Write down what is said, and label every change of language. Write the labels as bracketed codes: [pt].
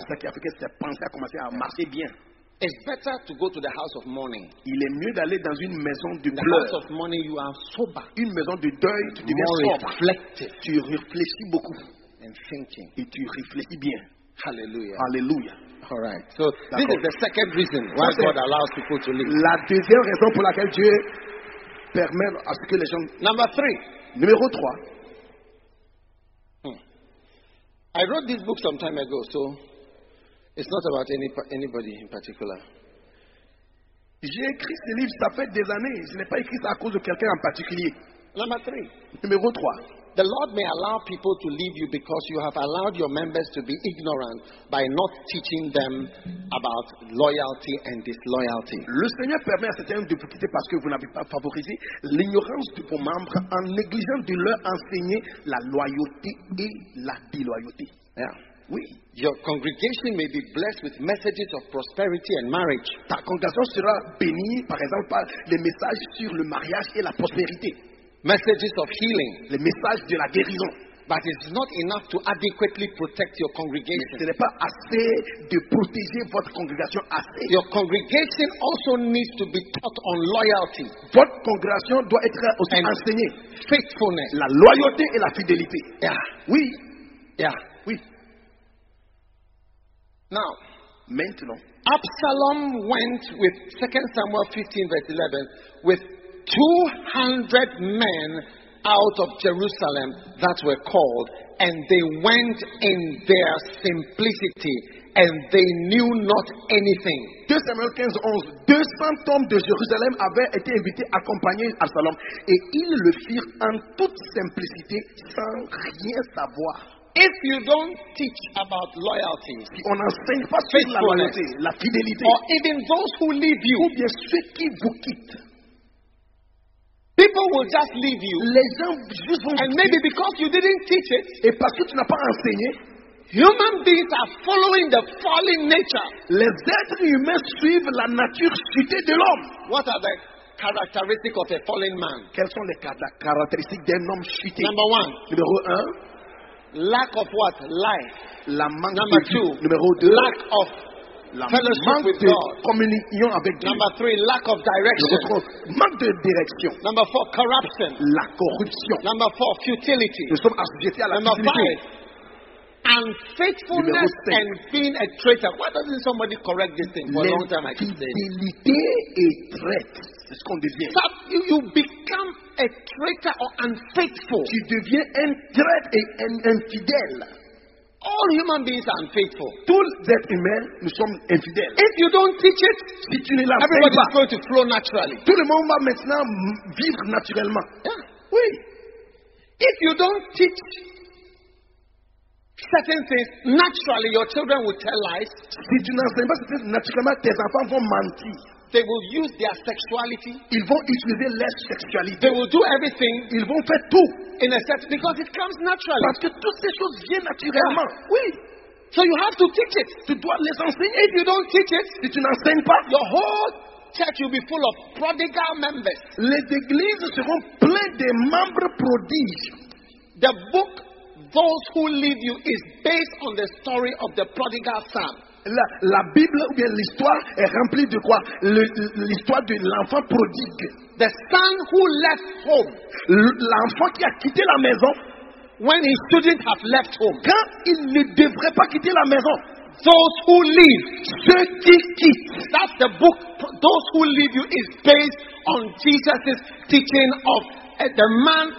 [fr] C'est ça qui a fait que ses pensées a commencé à marcher bien. [en] It's better to go to the house of mourning. [fr] Il est mieux d'aller dans une maison de deuil. [en] The house of mourning, you are sober. [fr] Une maison de deuil, tu deviens [en] sober. [fr] Tu réfléchis beaucoup. [en] And thinking. [fr] Et tu réfléchis bien. [en] Hallelujah. [fr] Hallelujah. [en] All right. So this is the second reason why God allows people to live. [fr] La deuxième raison pour laquelle Dieu permet à ce que les gens. [en] Number three. [fr] Numéro 3. [en] I wrote this book some time ago, so it's not about anybody in particular. [fr] J'ai écrit ce livre, ça fait des années. Je n'ai pas écrit ça à cause de quelqu'un en particulier. [en] Number three. [fr] Numéro 3. [en] The Lord may allow people to leave you because you have allowed your members to be ignorant by not teaching them about loyalty and disloyalty. [fr] Le Seigneur permet à certains de vous quitter parce que vous n'avez pas favorisé l'ignorance de vos membres en négligeant de leur enseigner la loyauté et la déloyauté. [en] Yeah. [fr] Oui. [en] Your congregation may be blessed with messages of prosperity and marriage. [fr] Ta congrégation sera bénie, par exemple, par les messages sur le mariage et la prospérité. [en] Messages of healing. [fr] Les messages de la guérison. [en] But it's not enough to adequately protect your congregation. [fr] Mais ce n'est pas assez de protéger votre congrégation assez. [en] Your congregation also needs to be taught on loyalty. [fr] Votre congrégation doit être aussi [en] and [fr] enseignée. [en] Faithfulness. [fr] La loyauté et la fidélité. [en] Yeah. [fr] Oui. [en] Yeah. [fr] Oui. [en] Now, [fr] maintenant, [en] Absalom went with 2 Samuel 15 verse 11 with 200 men out of Jerusalem that were called, and they went in their simplicity, and they knew not anything. [fr] 2 Samuel 15, 11, 200 hommes de Jérusalem avaient été invités à accompagner Absalom, et ils le firent en toute simplicité sans rien savoir. [en] If you don't teach about loyalty, [fr] si on enseigne pas sur la loyauté, la fidélité, [en] or even those who leave you, [fr] ou bien ceux qui vous quittent, [en] people will just leave you. [fr] Les gens juste vont [en] and maybe because you didn't teach it, [fr] et parce que tu n'as pas enseigné, [en] human beings are following the fallen nature. [fr] Les êtres humains suivent la nature chutée de l'homme. [en] What are the characteristics of a fallen man? [fr] Quelles sont les caractéristiques d'un homme chuté? [en] Number one. [fr] Numéro un. [en] Lack of what? Life. [fr] La manque [en] number [fr] de [en] two. [fr] Vie. Numéro deux. [en] Lack of [fr] la [en] fellowship [fr] manque [en] with [fr] de [en] God. [fr] Communion avec Dieu. [en] Number three, lack of direction. [fr] Numéro trois, manque de direction. [en] Number four, corruption. [fr] La corruption. [en] Number four, futility. [fr] Nous sommes assujettis à la [en] number [fr] futilité. [en] Five, unfaithfulness and being a traitor. Why doesn't somebody correct this thing for a long time? [fr] L'infidélité et traite. C'est ce qu'on devient. [en] So you become a traitor or unfaithful. [fr] Tu deviens un traître et un infidèle. [en] All human beings are unfaithful. [fr] Tous les êtres humains, nous sommes infidèles. [en] If you don't teach it, [fr] si tu ne l'enseignes pas, [en] everybody is going to flow naturally. [fr] Tout le monde va maintenant vivre naturellement. [en] Yeah. [fr] Oui. [en] If you don't teach certain things naturally, your children will tell lies. [fr] Si tu n'enseignes pas certaines naturellement, tes enfants vont mentir. [en] They will use their sexuality. [fr] Ils vont utiliser leur sexualité. [en] They will do everything. [fr] Ils vont faire tout. [en] In a sense, because it comes naturally. [fr] Parce que toutes ces choses viennent naturellement. Oui. [en] So you have to teach it. [fr] Tu dois les enseigner. [en] If you don't teach it, [fr] si tu n'enseignes pas, [en] your whole church will be full of prodigal members. [fr] Les églises seront pleines de membres prodiges. [en] The book Those Who Leave You is based on the story of the prodigal son. [fr] La Bible ou bien l'histoire est remplie de quoi? L'histoire de l'enfant prodigue. [en] The son who left home. [fr] L'enfant qui a quitté la maison. [en] when he shouldn't have left home. [fr] Quand il ne devrait pas quitter la maison. [en] Those who leave, [fr] ceux qui quittent. [en] That's the book. Those who leave you is based on Jesus' teaching of the man.